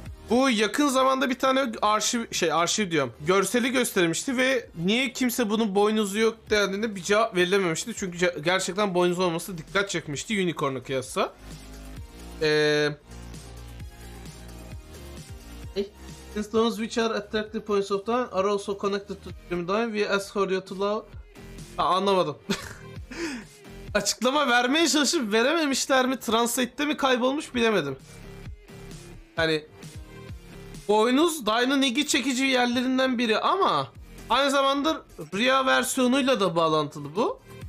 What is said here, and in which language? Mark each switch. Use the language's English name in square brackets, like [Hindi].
[Turkish] Bu yakın zamanda bir tane arşiv diyorum. Görseli göstermişti ve niye kimse bunun boynuzu yok dendiğinde bir cevap verilememişti. Çünkü gerçekten boynuzu olması dikkat çekmişti Unicorn'a kıyasla. [English] Since those which are attractive points of time are also connected to time, we ask for you to love... [Turkish] anlamadım. Açıklama vermeye çalışıp verememişler mi? Translate'te mi kaybolmuş bilemedim. Hani boynuz Dine'ın ilgi çekici yerlerinden biri ama aynı zamanda Rhea versiyonuyla da bağlantılı bu.